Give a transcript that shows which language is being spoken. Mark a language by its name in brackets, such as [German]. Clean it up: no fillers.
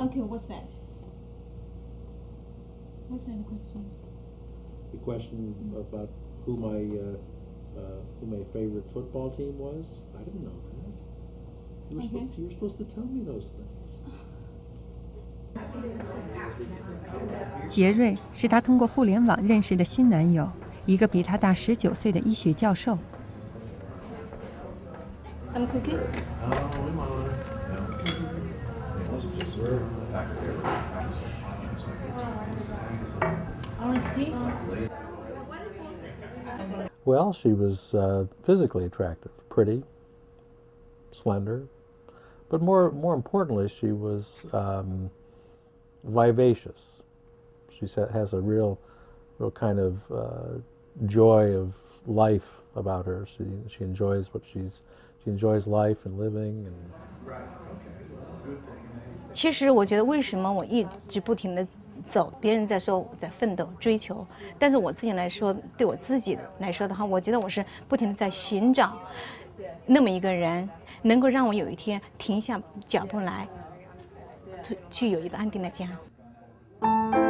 [English] Okay, what's that? What's that question? The question about who my favorite football team was? I didn't know that. You were supposed to tell me those things. [Chinese] 杰瑞是他通过互联网认识的新男友，一个比他大19岁的医学教授。 [English] Some cookie? Well, she was physically attractive, pretty, slender, But more importantly, she was vivacious. She has a real kind of joy of life about her. She enjoys what she enjoys life and living and. Right. Okay. Well, good thing. [Chinese] 其实我觉得为什么我一直不停的。走，别人在说我在奋斗追求，但是我自己来说，对我自己来说的话，我觉得我是不停地在寻找那么一个人，能够让我有一天停下脚步来，去有一个安定的家。